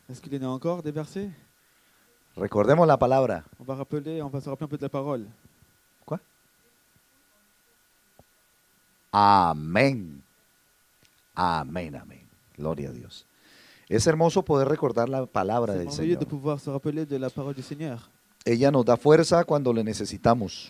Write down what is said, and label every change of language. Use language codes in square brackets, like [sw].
[es] ¿Es que tiene [fr] encore des versets? [es] Recordemos la palabra. [fr] On va rappeler, on va se rappeler un peu de la parole. [es] Amén. Amén, amén. Gloria a Dios. Es hermoso poder recordar la palabra del Señor. [fr] De pouvoir se rappeler de la parole du Seigneur. [es] Ella nos da fuerza cuando le necesitamos.